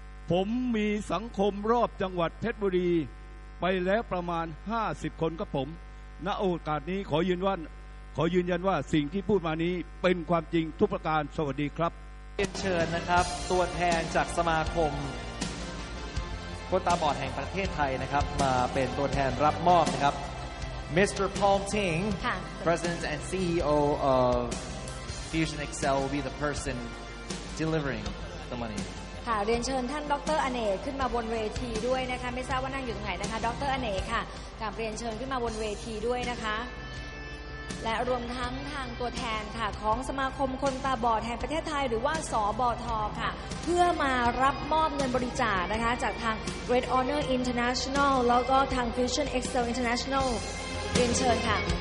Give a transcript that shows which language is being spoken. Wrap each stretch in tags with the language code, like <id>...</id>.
<th>ผมมีสังคมรอบจังหวัดเพชรบุรีไปแล้วประมาณ50คนครับผมณโอกาสนี้ขอยืนยันว่าสิ่งที่พูดมานี้เป็นความจริงทุกประการสวัสดีครับ เชิญนะครับตัวแทนจากสมาคมคนตาบอดแห่งประเทศไทยนะครับมาเป็นตัวแทนรับมอบนะครับ Mr.</th> <en>Paul Ting President and CEO of Fusion Excel will be the person delivering the money</en> <th>ค่ะเรียนเชิญท่านดร. อเนกขึ้นมาบนเวทีด้วยนะคะไม่ทราบว่านั่งอยู่ตรงไหนนะคะดร.อเนกค่ะกราบเรียนเชิญขึ้นมาบนเวทีด้วยนะคะและรวมทั้งทางตัวแทนค่ะของสมาคมคนตาบอดแห่งประเทศไทยหรือว่าสบท. ค่ะเพื่อมารับมอบเงินบริจาคนะคะจากทาง Great Honor International แล้วก็ทาง Fusion Excel International เรียนเชิญค่ะ</th>